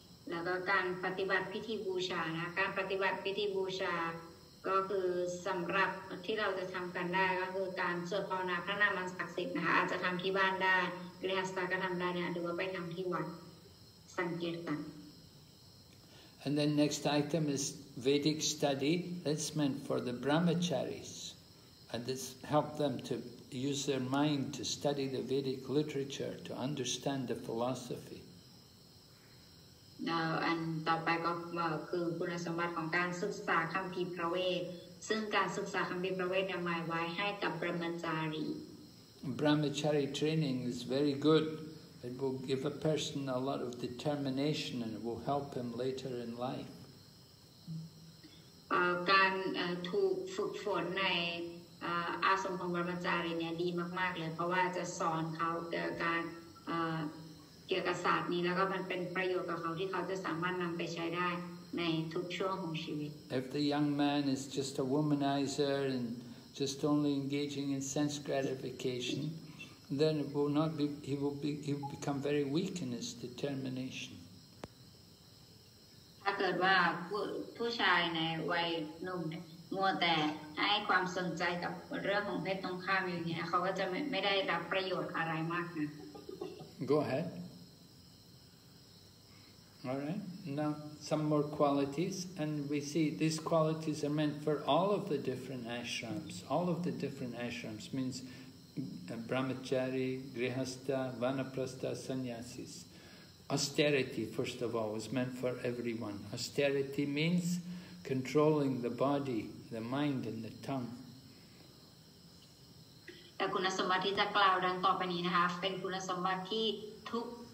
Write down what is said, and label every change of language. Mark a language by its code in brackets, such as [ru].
[th] แล้วก็การปฏิบัติพิธีบูชานะการปฏิบัติพิธีบูชาก็คือสำหรับที่เราจะทำกันได้ก็คือการสวดภาวนาพระนามอันศักดิ์สิทธิ์นะคะอาจจะทำที่บ้านได้กริยาสตาก็ทำได้เนี่ยหรือว่าไปทำที่วัดสังเกตตัน [en] And then next item is Vedic study that's meant for the brahmacharis and this help them to use their mind to study the Vedic literature to understand the philosophy [th] อันต่อไปก็คือคุณสมบัติของการศึกษาคัมภีร์พระเวทซึ่งการศึกษาคัมภีร์พระเวทเนี่ยหมายไว้ให้กับบรมจารี [en] Brahmachari training is very good it will give a person a lot of determination and it will help him later in life [th] การถูกฝึกฝนในอาสมของบรมจารีเนี่ยดีมากๆเลยเพราะว่าจะสอนเขาการเกี่ยวกับศาสตร์นี้แล้วก็มันเป็นประโยชน์กับเขาที่เขาจะสามารถนำไปใช้ได้ในทุกช่วงของชีวิต [en] If the young man is just a womanizer and just only engaging in sense gratification then it will not be he will become very weak in his determination [th] ถ้าเกิดว่าผู้ชายในวัยหนุ่มมัวแต่ให้ความสนใจกับเรื่องของเพศตรงข้ามอย่างเงี้ยเขาก็จะไม่ได้รับประโยชน์อะไรมากนะ [en] Go aheadAll right, now some more qualities, and we see these qualities are meant for all of the different ashrams. All of the different ashrams means brahmachari, grihastha, vanaprastha, sannyasis. Austerity, first of all, is meant for everyone. Austerity means controlling the body, the mind, and the tongue. [th] แต่คุณสมบัติที่จะกล่าวดังต่อไปนี้นะคะเป็นคุณสมบัติที่ทุก